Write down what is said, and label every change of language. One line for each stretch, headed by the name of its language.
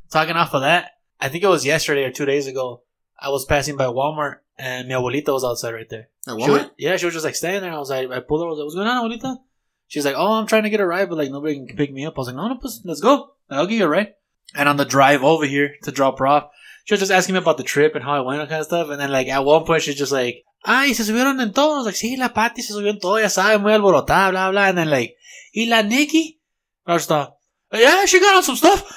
English: Talking off of that, I think it was yesterday or 2 days ago, I was passing by Walmart, and
Spanish: mi abuelita
English: was outside right there. At Walmart? She was just, like, standing there. I pulled her. I was like, "What's going on, abuelita?" She's like, "Oh, I'm trying to get a ride, but, like, nobody can pick me up." I was like, "No, let's go. I'll give you a ride." And on the drive over here to drop her off, she was just asking me about the trip and how I went and kind of stuff. And then, like, at one point, she's just like,
Spanish: "Ay, se subieron en todos." Like, "Sí, la Patty se subió en todo, ya sabe, muy alborotada, blah, blah."
English: And then, like,
Spanish: "¿Y la Nikki?"
English: I was like, "Yeah, she got on some stuff."